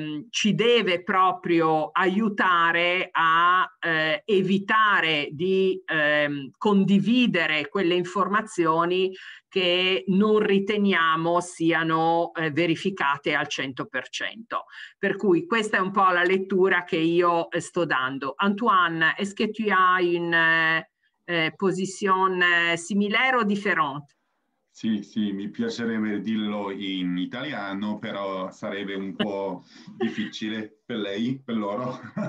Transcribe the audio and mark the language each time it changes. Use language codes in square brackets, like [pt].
[it] ci deve proprio aiutare a evitare di condividere quelle informazioni che non riteniamo siano verificate al 100%. Per cui questa è un po' la lettura che io sto dando. [fr] Antoine, est-ce que tu as une position similaire ou différente? [it] Sì, sì, mi piacerebbe dirlo in italiano, però sarebbe un po' difficile per lei, per loro.